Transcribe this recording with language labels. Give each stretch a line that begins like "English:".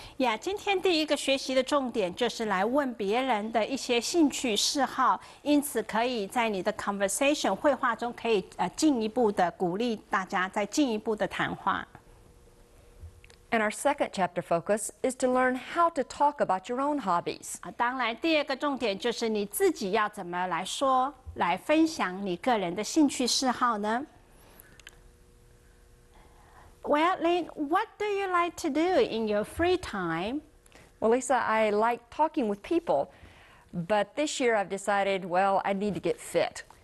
Chinese: Yeah, 今天第一个学习的重点就是来问别人的一些兴趣嗜好，因此可以在你的 conversation 会话中可以进一步的鼓励大家再进一步的谈话。
English: And our second chapter focus is to learn how to talk about your own hobbies.
Chinese: 当然第二个重点就是你自己要怎么来说，来分享你个人的兴趣嗜好呢？
English: Well, Lynn, what do you like to do in your free time? Well, Lisa, I like talking with people, but this year I've decided, well, I need to get fit.